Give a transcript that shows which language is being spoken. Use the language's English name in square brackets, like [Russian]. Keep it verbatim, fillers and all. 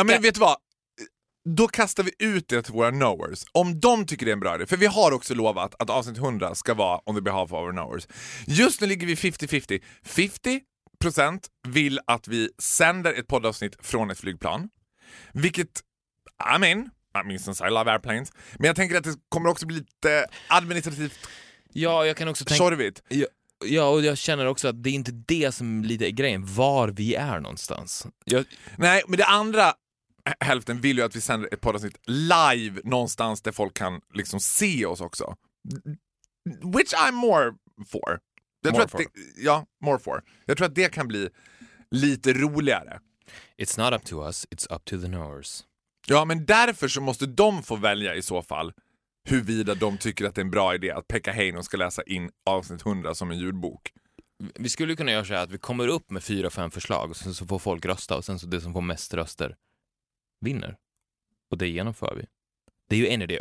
[Swedish] Ja, men vet du vad? Då kastar vi ut det till våra knowers. Om de tycker det är en bra idé. För vi har också lovat att avsnitt hundra ska vara [English] on the behalf of our knowers. [Swedish] Just nu ligger vi fifty-fifty. fifty procent vill att vi sänder ett poddavsnitt från ett flygplan. Vilket, [English] I mean, I mean since I love airplanes. [Swedish] Men jag tänker att det kommer också bli lite administrativt. Ja, jag kan också tänka... Sorgligt. Ja. Ja, och jag känner också att det är inte det som lite är grejen. Var vi är någonstans. Jag... Nej, men det andra... hälften vill ju att vi sänder ett poddavsnitt live någonstans där folk kan liksom se oss också. [English] Which I'm more for. [Swedish] Jag tror att [English] for. [Swedish] Det, ja, [English] more for. [Swedish] Jag tror att det kan bli lite roligare. [English] It's not up to us, it's up to the knowers. [Swedish] Ja, men därför så måste de få välja i så fall huruvida de tycker att det är en bra idé att Pekka Heino ska läsa in avsnitt hundra som en ljudbok. Vi skulle kunna göra så här att vi kommer upp med fyra, fem förslag och sen så får folk rösta och sen så det som får mest röster vinner. Och det genomför vi. Det är ju en idé.